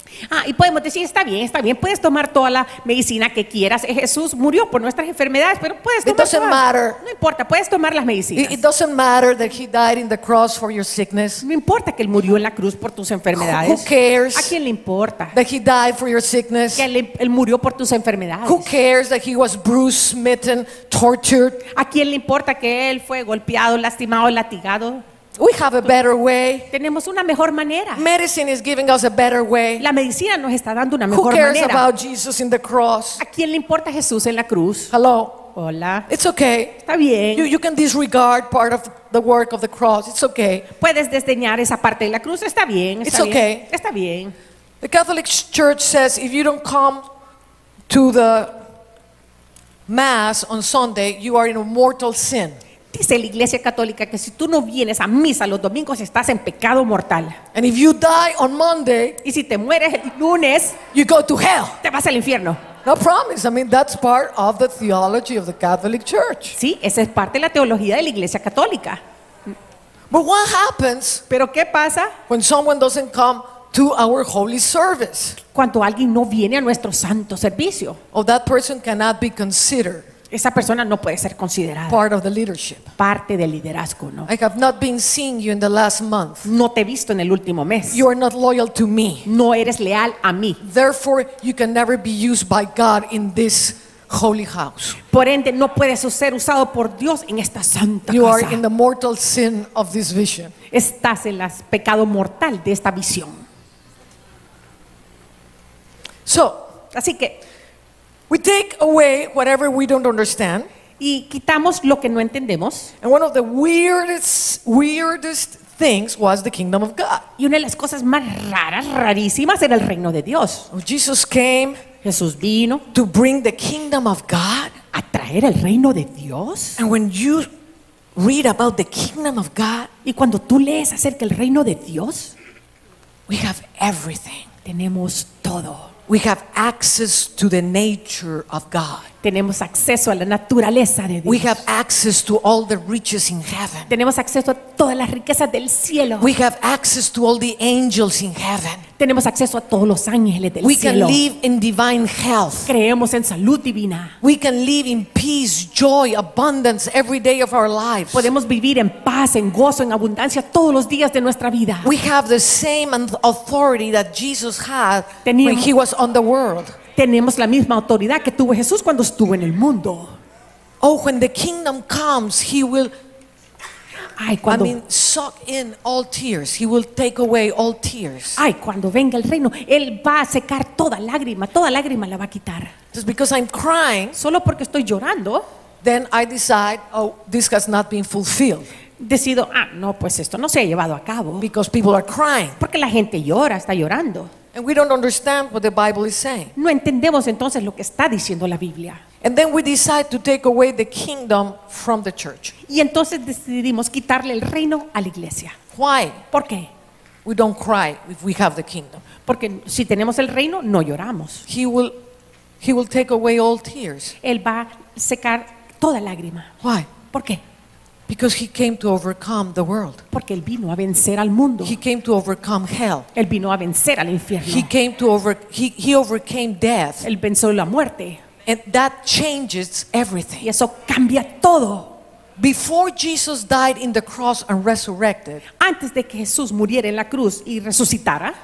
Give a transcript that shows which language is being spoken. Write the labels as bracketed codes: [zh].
[es] Ah, y podemos decir, está bien, puedes tomar toda la medicina que quieras. Jesús murió por nuestras enfermedades, pero puedes tomar. [en] It doesn't matter. [es] No importa, puedes tomar las medicinas. [en] It doesn't matter that he died in the cross for your sickness. [es] No importa que él murió en la cruz por tus enfermedades. [en] Who cares? [es] ¿A quién le importa? [en] That he died for your sickness. [es] Que él murió por tus enfermedades. [en] Who cares that he was bruised, smitten, tortured? [es] ¿A quién le importa que él fue golpeado, lastimado, latigado? [en] We have a better way. [es] Tenemos una mejor manera. [en] Medicine is giving us a better way. [es] La medicina nos está dando una mejor manera. [en] Who cares [es] manera? [en] About Jesus in the cross? [es] ¿A quién le importa Jesús en la cruz? [en] Hello. [es] Hola. [en] It's okay. [es] Está bien. [en] You can disregard part of the work of the cross. It's okay. [es] Puedes desdeñar esa parte de la cruz. [en] Está bien. Está It's [es] bien. [en] Okay. [es] Está bien. [en] The Catholic Church says if you don't come to the Mass on Sunday, you are in a mortal sin. [es] Dice la Iglesia Católica que si tú no vienes a misa los domingos estás en pecado mortal. [en] And if you die on Monday, [es] y si te mueres el lunes, [en] you go to hell. [es] Te vas al infierno. [en] No promise. I mean, that's part of the theology of the Catholic Church. [es] Sí, esa es parte de la teología de la Iglesia Católica. [en] But what happens? [es] Pero ¿qué pasa? [en] When someone doesn't come to our holy service. [es] Cuando alguien no viene a nuestro santo servicio. [en] Oh, that person cannot be considered. [es] Esa persona no puede ser considerada [en] part of the leadership. [es] Parte del liderazgo, ¿no? [en] I have not been seeing you in the last month. [es] No te he visto en el último mes. [en] You are not loyal to me. [es] No eres leal a mí. [en] Therefore, you can never be used by God in this holy house. [es] Por ende, no puedes ser usado por Dios en esta santa casa. [en] You are in the mortal sin of this vision. [es] Estás en el pecado mortal de esta visión. [en] So, [es] así que [en] we take away whatever we don't understand. [es] Y quitamos lo que no entendemos. [en] And one of the weirdest things was the kingdom of God. [es] Y una de las cosas más raras, rarísimas, era el reino de Dios. [en] Jesus came. [es] Jesús vino. [en] To bring the kingdom of God. [es] A traer el reino de Dios. [en] And when you read about the kingdom of God. [es] Y cuando tú lees acerca del reino de Dios. [en] We have everything. [es] Tenemos todo. [en] We have access to the nature of God. [es] Tenemos acceso a la naturaleza de Dios. [en] We have access to all the riches in heaven. [es] Tenemos acceso a todas las riquezas del cielo. [en] We have access to all the angels in heaven. [es] Tenemos acceso a todos los ángeles del [en] we [es] cielo. [en] We can live in divine health. [es] Creemos en salud divina. [en] We can live in peace, joy, abundance every day of our lives. [es] Podemos vivir en paz, en gozo, en abundancia todos los días de nuestra vida. [en] We have the same authority that Jesus had when he was on the world. [es] Tenemos la misma autoridad que tuvo Jesús cuando estuvo en el mundo. [en] Oh, when the kingdom comes, he will. [es] Ay, cuando, [en] I mean, suck in all tears. He will take away all tears. [es] Ay, cuando venga el reino, él va a secar toda lágrima la va a quitar. [en] Just because I'm crying, [es] solo porque estoy llorando, [en] then I decide, oh, this has not been fulfilled. [es] Decido, ah, no, pues esto no se ha llevado a cabo. [en] Because people are crying. [es] Porque la gente llora, está llorando. [en] And we don't understand what the Bible is saying. [es] No entendemos entonces lo que está diciendo la Biblia. [en] And then we decide to take away the kingdom from the church. [es] Y entonces decidimos quitarle el reino a la iglesia. [en] Why? [es] ¿Por qué? [en] We don't cry if we have the kingdom. [es] Porque si tenemos el reino no lloramos. [en] He will take away all tears. [es] Él va a secar toda lágrima. [en] Why? [es] ¿Por qué? [en] Because he came to overcome the world. [es] Porque él vino a vencer al mundo. [en] He came to overcome hell. [es] Él vino a vencer al infierno. [en] He overcame death. [es] Él venció la muerte. [en] And that changes everything. [es] Y eso cambia todo. [en] Before Jesus died in the cross and resurrected. [es] Antes de que Jesús muriera en la cruz y resucitara.